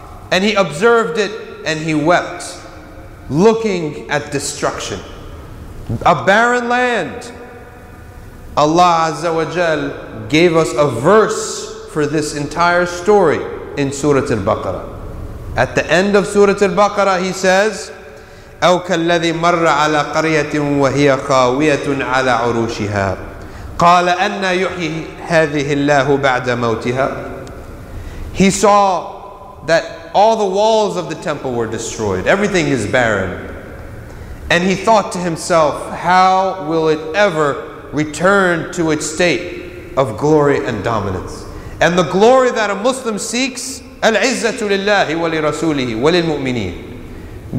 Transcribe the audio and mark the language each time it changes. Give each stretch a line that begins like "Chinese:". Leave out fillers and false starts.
English: And he observed it and he wept, looking at destruction. A barren land. Allah Azza wa Jal gave us a verse for this entire story in Surah Al-Baqarah. At the end of Surah Al-Baqarah, he says,
Arabic: أَوْ كَالَّذِي مَرَّ عَلَى قَرْيَةٍ وَهِيَ خَاوِيَةٌ عَلَى عُرُوشِهَا قَالَ أَنَّا يُحْيِي هَذِهِ اللَّهُ بَعْدَ مَوْتِهَا.
English: He saw that all the walls of the temple were destroyed. Everything is barren. And he thought to himself, how will it ever return to its state of glory and dominance? And the glory that a Muslim seeks,
Arabic: الْعِزَّةُ لِلَّهِ وَلِرَسُولِهِ وَلِلْمُؤْمِنِينَ.